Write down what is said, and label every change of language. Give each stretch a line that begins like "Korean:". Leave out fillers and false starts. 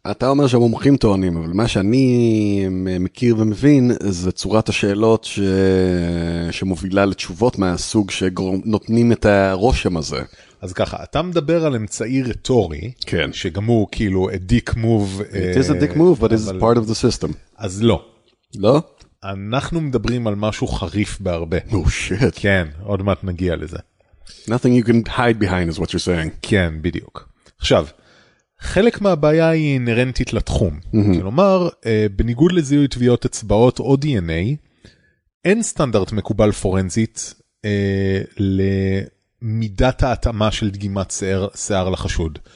Hebrew: אתה אומר שהמומחים טוענים, אבל מה שאני מכיר ומבין, זה צורת השאלות שמובילה לתשובות מהסוג שנותנים את הרושם הזה. אז ככה, אתה מדבר על אמצעי רטורי, כן. שגם הוא כאילו
English: a dick move. It is a dick move, but it's part of the system.
Hebrew: אז לא. לא? אנחנו מדברים על משהו חריף בהרבה.
English: Oh shit.
Hebrew: כן, עוד מעט נגיע לזה.
English: Nothing you can hide behind is what you're saying.
Hebrew: כן, בדיוק. עכשיו, חלק מהבעיה היא אינרנטית לתחום. כלומר, בניגוד לזיהוי טביעות אצבעות או DNA, אין סטנדרט מקובל פורנזית למידת ההתאמה של דגימת שיער לחשוד.